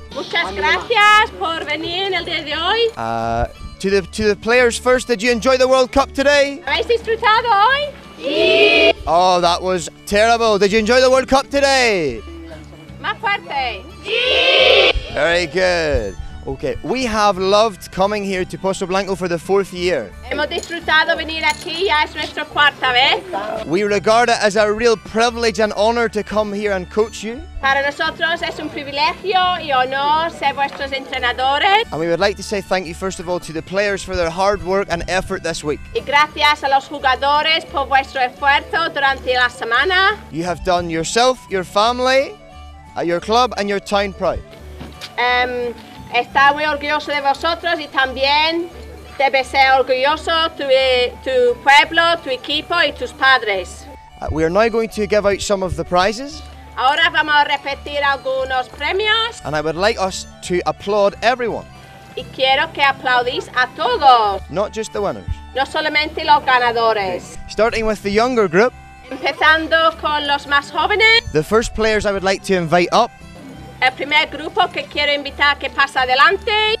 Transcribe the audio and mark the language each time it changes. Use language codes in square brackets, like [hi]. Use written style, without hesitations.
[es] Muchas gracias por venir en el día de hoy. [en] To the players first, did you enjoy the World Cup today? [es] ¿Habéis disfrutado hoy? Sí. [en] Oh, that was terrible. Did you enjoy the World Cup today? [es] Más fuerte. Sí. [en] Very good. Okay, we have loved coming here to Pozoblanco for the fourth year. [es] Hemos disfrutado venir aquí, ya es nuestra cuarta vez. [en] We regard it as a real privilege and honor to come here and coach you. [es] Para nosotros es un privilegio y honor ser vuestros entrenadores. [en] And we would like to say thank you first of all to the players for their hard work and effort this week. [es] Y gracias a los jugadores por vuestro esfuerzo durante la semana. [en] You have done yourself, your family, your club and your town proud. [es] Está muy orgulloso de vosotros y también debe ser orgulloso tu pueblo, tu equipo y tus padres. [en] We are now going to give out some of the prizes. [es] Ahora vamos a repetir algunos premios. [en] And I would like us to applaud everyone. [es] Y quiero que aplaudís a todos. [en] Not just the winners. [es] No solamente los ganadores. [en] Starting with the younger group. [es] Empezando con los más jóvenes. [en] The first players I would like to invite up. [es] El primer grupo que quiero invitar que pasa adelante